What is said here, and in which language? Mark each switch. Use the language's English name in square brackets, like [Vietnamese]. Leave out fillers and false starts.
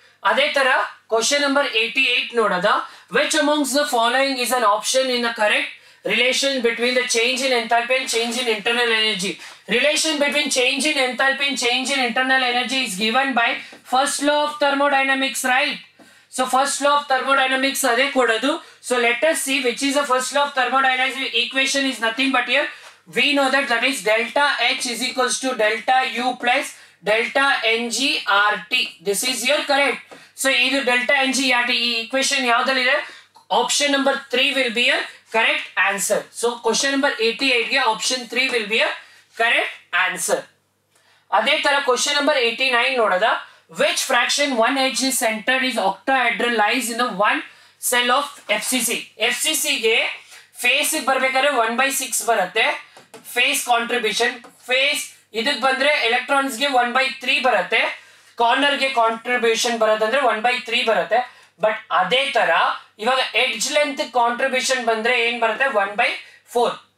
[Kannada] ಅದೇ ತರ [English] question number 88 [Kannada] ನೋಡೋದ. [English] Which amongst the following is an option in the correct relation between the change in enthalpy and change in internal energy. Relation between change in enthalpy and change in internal energy is given by first law of thermodynamics, right. So first law of thermodynamics [Kannada] ಅದೇ ಕೊಡೋದು. [English] So let us see which is the first law of thermodynamics. Equation is nothing but your we know that that is delta H is equals to delta U plus delta NG RT. This is your correct. So either delta NG RT equation [Kannada] yaadali re, [English] option number 3 will be a correct answer. So question number 88 ke option 3 will be a correct answer. [Kannada] Ade tara question number 89 nodada. [English] Which fraction 1H is centered is octahedral lies in the one cell of FCC. [Kannada] FCC ge face barbekare 1/6 barutte face contribution. Face ಇದಕ್ಕೆ ಬಂದ್ರೆ electrons ಗೆ 1/3 ಬರುತ್ತೆ, corner ಗೆ contribution ಬರೋದಂದ್ರೆ 1/3 ಬರುತ್ತೆ. But ಅದೇ ತರ ಇವಾಗ edge length contribution ಬಂದ್ರೆ ಏನ್ ಬರುತ್ತೆ, 1/4.